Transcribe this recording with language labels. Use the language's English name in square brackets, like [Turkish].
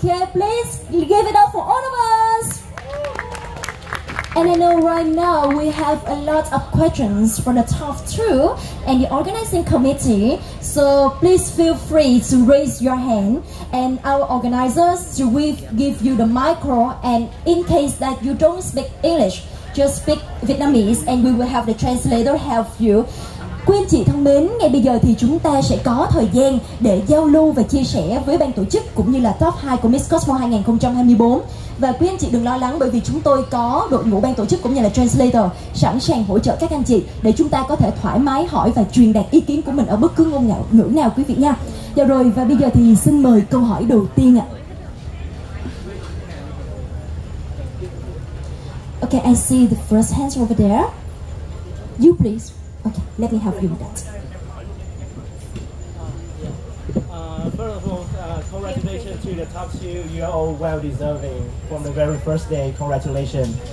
[English] Okay, please give it up for all of us. And I know right now we have a lot of questions from the top two and the organizing committee. So please feel free to raise your hand and our organizers will give you the micro. And in case that you don't speak English, just speak Vietnamese and we will have the translator help you. [Vietnamese] Quý anh chị thân mến, ngay bây giờ thì chúng ta sẽ có thời gian để giao lưu và chia sẻ với ban tổ chức cũng như là top 2 của Miss Cosmo 2024. Và quý anh chị đừng lo lắng bởi vì chúng tôi có đội ngũ ban tổ chức cũng như là translator sẵn sàng hỗ trợ các anh chị để chúng ta có thể thoải mái hỏi và truyền đạt ý kiến của mình ở bất cứ ngôn ngữ nào quý vị nha. Dạ rồi, và bây giờ thì xin mời câu hỏi đầu tiên ạ. [English] Okay, I see the first hands over there. You please. Okay, let me help you with that. First of all, congratulations to the top two. You are all well deserving from the very first day. Congratulations.